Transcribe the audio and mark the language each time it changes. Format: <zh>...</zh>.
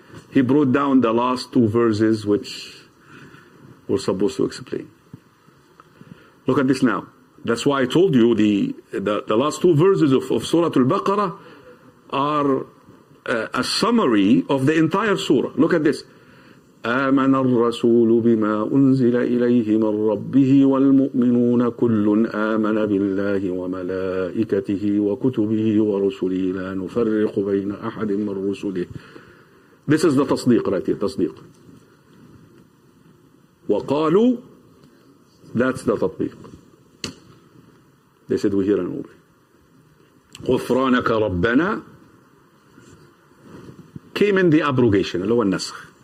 <en>He brought down the last two verses which were supposed to explain. Look at this now. That's why I told you the last two verses of Surah Al-Baqarah are a summary of the entire surah. Look at this.</en> <ar>آمن الرسول بما أنزل إليه من ربه والمؤمنون كل آمن بالله وملائكته وكتبه ورسله لا نفرق بين أحد من رسله.</ar> <en>This is the tasdeeq right here, tasdeeq. وَقَالُوا, that's the tatbeeq. They said, we hear an obey.</en> <ar>غُفْرَانَكَ رَبَّنَا</ar> <en>came in the abrogation,</en> <ar>اللي هو النسخ.</ar>